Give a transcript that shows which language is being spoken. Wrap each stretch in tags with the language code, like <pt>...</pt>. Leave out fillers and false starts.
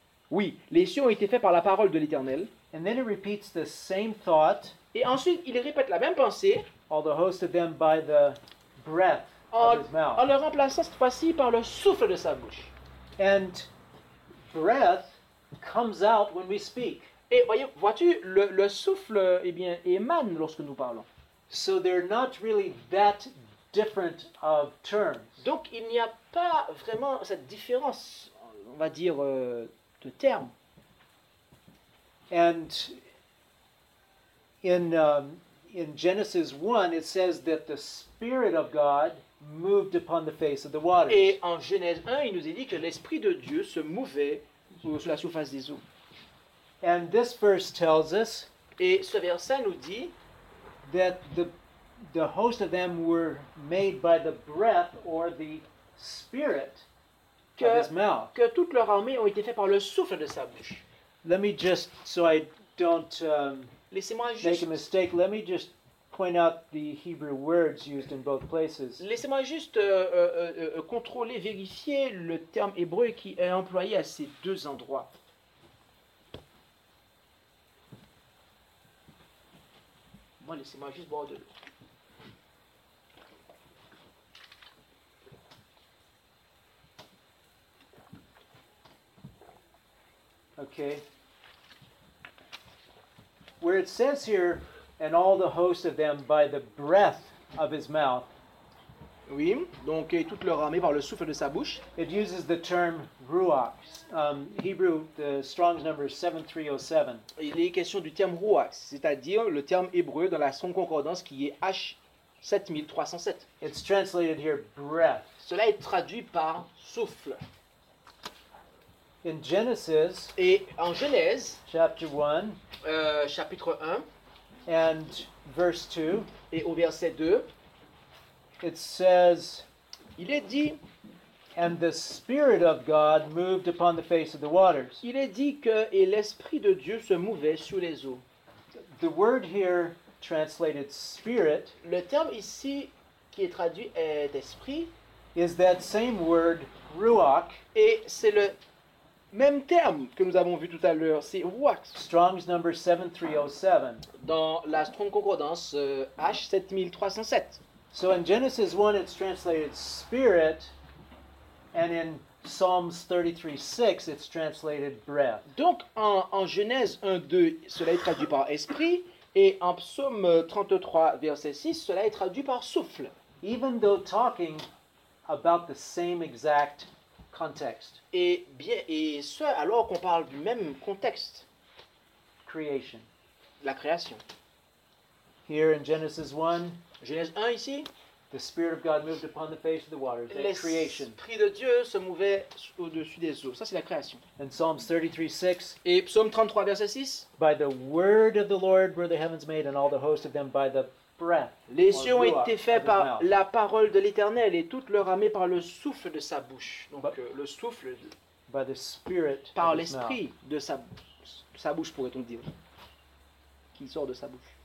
<fr>Oui, les cieux ont été faits par la parole de l'Éternel.</fr> <en>And then it repeats the same thought.</en> <fr>Et ensuite, il répète la même pensée.</fr> <en>All the host of them by the breath of his mouth.</en> <fr>En le remplaçant cette fois-ci par le souffle de sa bouche.</fr> <en>And breath comes out when we speak.</en> <fr>Et voyez, vois-tu, le souffle, eh bien, émane lorsque nous parlons.</fr> <en>So they're not really that different of terms.</en> <fr>Donc il n'y a pas vraiment cette différence, on va dire, de termes.</fr> <en>And in Genesis 1, it says that the Spirit of God moved upon the face of the waters.</en> <fr>Et en Genèse 1, il nous est dit que l'Esprit de Dieu se mouvait sur la surface des eaux.</fr> <en>And this verse tells us.</en> <fr>Et ce verset nous dit.</fr> <en>That the host of them were made by the breath or the spirit</en> <fr>que,</fr> <en>of his mouth.</en> <fr>Que toute leur armée ont été faits par le souffle de sa bouche. Let me just, so I don't make a mistake, let me just point out the Hebrew words used in both places. Laissez-moi juste contrôler, vérifier le terme hébreu qui est employé à ces deux endroits. Bon, laissez-moi juste boire de l'eau.</fr> <en>Okay. Where it says here, and all the host of them by the breath of his mouth.</en> <fr>Oui, donc et toute leur armée par le souffle de sa bouche.</fr> <en>It uses the term ruach. Hebrew, the Strong's number is 7307.</en> <fr>Il est question du terme ruach, c'est-à-dire le terme hébreu dans la Strong Concordance qui est H7307.</fr> <en>It's translated here breath.</en> <fr>Cela est traduit par souffle.</fr> <en>In Genesis,</en> <fr>et en Genèse,</fr> <en>chapter 1,</en> <fr>chapitre 1,</fr> <en>and verse 2,</en> <fr>et au verset 2,</fr> <en>it says,</en> <fr>il est dit,</fr> <en>and the Spirit of God moved upon the face of the waters.</en> <fr>Il est dit que et l'Esprit de Dieu se mouvait sous les eaux.</fr> <en>The word here translated spirit,</en> <fr>le terme ici qui est traduit est esprit,</fr> <en>is that same word ruach,</en> <fr>et c'est le même terme que nous avons vu tout à l'heure, c'est ruach.</fr> <en>Strong's number 7307.</en> <fr>Dans la Strong Concordance H7307.</fr> <en>So in Genesis 1, it's translated spirit, and in Psalms 33:6, it's translated breath.</en> <fr>Donc en Genèse 1:2, cela est traduit par esprit, et en Psaume 33, verset 6, cela est traduit par souffle.</fr> <en>Even though talking about the same exact context.</en> <fr>Et bien, et ce alors qu'on parle du même contexte.</fr> <en>Creation.</en> <fr>La création.</fr> <en>Here in Genesis 1.</en> <fr>Genèse 1 ici.</fr> <en>The Spirit of God moved upon the face of the waters. That's creation.</en> <fr>L'Esprit de Dieu se mouvait au-dessus des eaux. Ça, c'est la création. And Psalms 33:6. Et Psaume 33, verset 6.</fr> <en>By the word of the Lord were the heavens made, and all the host of them by the breath.</en> <fr>Les cieux ont été faits par la parole de l'Éternel, et toute leur armée par le souffle de sa bouche. Donc, le souffle.</fr> <en>By the Spirit.</en> <fr>Par l'Esprit de sa bouche, pourrait-on dire. qui sort de sa bouche.</fr>